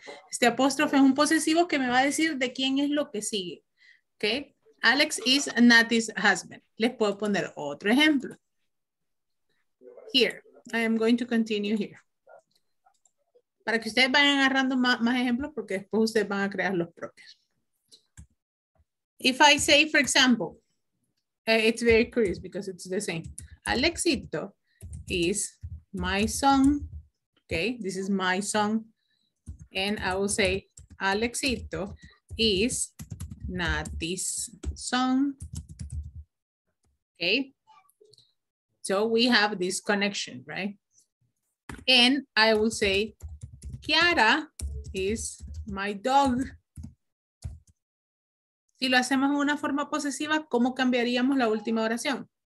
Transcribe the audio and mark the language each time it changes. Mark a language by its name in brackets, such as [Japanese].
[Spanish] Este apóstrofe es un posesivo que me va a decir de quién es lo que sigue, ¿ok? [English] Alex is Nati's husband. [Spanish] Les puedo poner otro ejemplo. [English] Here, I am going to continue here. [Spanish] Para que ustedes vayan agarrando más ejemplos porque después ustedes van a crear los propios. [English] If I say, for example, it's very curious because it's the same. Alexito is my son, okay, this is my son, and I will say Alexito is Nati's son. Okay. So we have this connection, right? And I will say, Kiara is my dog. [Spanish] Si lo hacemos en una forma posesiva, ¿cómo cambiaríamos la última oración?